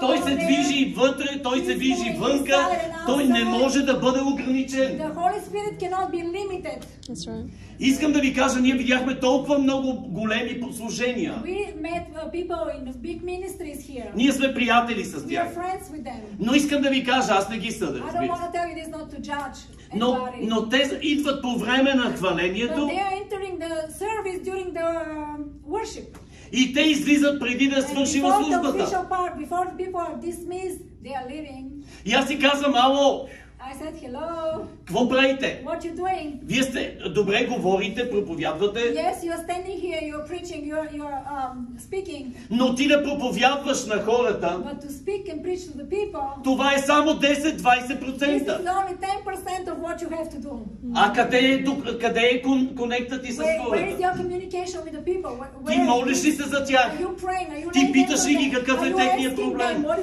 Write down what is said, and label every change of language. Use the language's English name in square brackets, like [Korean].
[Bulgarian] Той се движи вътре, той се движи вънка. Той не може да бъде ограничен. [English] The Holy Spirit cannot be limited. That's right. [Bulgarian] Искам да ви кажа, ние видяхме толкова много големи послужения. [English] We met people in big ministries here. [Bulgarian] Ние сме приятели с тях. [English] We are friends with them. [Bulgarian] Но искам да ви кажа, аз не ги съдя. [English] I don't want to tell you this not to judge. [Bulgarian] Но те идват по време на хвалението. [English] They are entering the service during the worship. [Bulgarian] И те излизат преди да свърши службата. [English] The official part, before the people are dismissed, they are leaving. [Bulgarian] И аз си казвам, ало! [English] I said hello. [Bulgarian] Какво правите? [English] What you doing? [Bulgarian] Вие сте добре говорите, проповядвате. [English] Yes, you are standing here, you are preaching, you are speaking. [Bulgarian] Но ти да проповядваш на хората. [English] But to speak and preach to the people. [Bulgarian] Това е само 10-20%. [English] This is only 10% of what you have to do. [Bulgarian] А къде е конектът ти с хората? [English] Where is your communication with the people? [Bulgarian] Ти молиш ли се за тях? [English] Are you praying? Are you [Bulgarian] ти питаш ли ги какъв е техният проблем?